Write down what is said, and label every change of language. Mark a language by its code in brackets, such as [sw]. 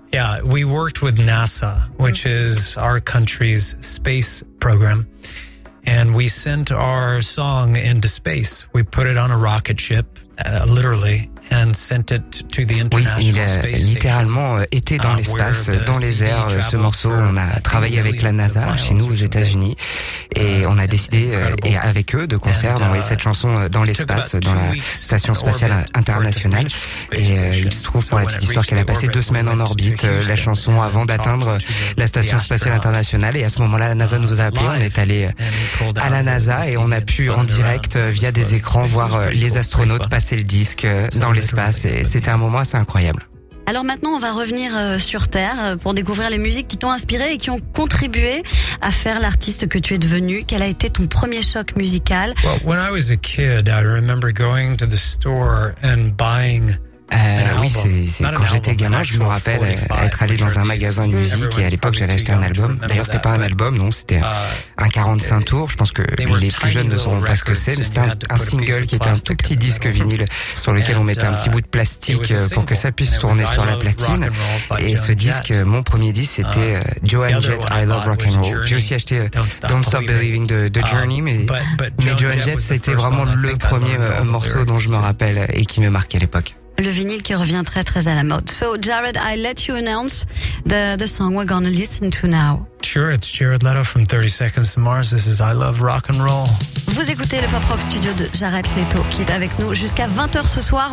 [en] Yeah, we worked with NASA, which is our country's space program. And we sent our song into space. We put it on a rocket ship, literally, and sent it to the International Space Station. [fr] Oui, il a littéralement été dans l'espace, dans les airs, ce morceau. On a travaillé avec la NASA, chez nous, aux États-Unis. Et on a décidé, et avec eux, de concert, d'envoyer cette chanson dans l'espace, dans la Station Spatiale Internationale. Et il se trouve, pour la petite histoire, qu'elle a passé 2 semaines en orbite, la chanson, avant d'atteindre la Station Spatiale Internationale. Et à ce moment-là, la NASA nous a appelés. On est allés à la NASA et on a pu, en direct, via des écrans, voir les astronautes passer le disque dans l'espace. Et c'était un moment assez incroyable. Alors maintenant, on va revenir sur Terre pour découvrir les musiques qui t'ont inspiré et qui ont contribué à faire l'artiste que tu es devenu. Quel a été ton premier choc musical? [en] When I was a kid, I remember going to the store and buying. [fr] Oui, c'est quand j'étais gamin, je me rappelle être allé dans un magasin de musique et à l'époque j'avais acheté un album. D'ailleurs, c'était pas un album, non, c'était un 45 tours. Je pense que les plus jeunes ne sauront pas ce que c'est, mais c'était un single qui était un tout petit disque vinyle sur lequel on mettait un petit bout de plastique pour que ça puisse tourner sur la platine. Et ce disque, mon premier disque, c'était Joan Jett, I Love Rock and Roll. J'ai aussi acheté Don't Stop Believing de Journey, mais Joan Jett, c'était vraiment le premier morceau dont je me rappelle et qui me marquait à l'époque. Le vinyle qui revient très très à la mode. [en] So Jared, I let you announce the song we're gonna listen to now. Sure, it's Jared Leto from 30 Seconds to Mars. This is I Love Rock and Roll. [fr] Vous écoutez le Pop Rock Studio de Jared Leto qui est avec nous jusqu'à 20h ce soir.